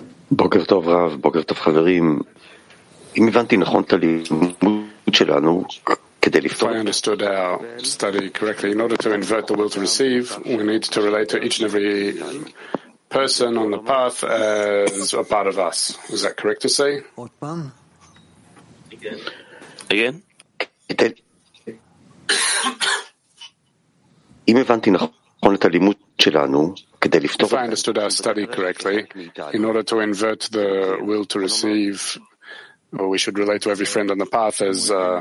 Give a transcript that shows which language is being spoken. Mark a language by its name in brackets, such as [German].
[Hebrew] בוקר טוב רב, בוקר טוב חברים. אם הבנתי נכון את הלימוד שלנו כדי לפתור... [English] If I understood our study correctly, in order to invert the will to receive, we need to relate to each and every person on the path as a part of us. Is that correct to say? [Hebrew] עוד פעם? [English] Again? [Hebrew] אם הבנתי נכון את הלימוד שלנו... [English] If I understood our study correctly, in order to invert the will to receive, we should relate to every friend on the path as...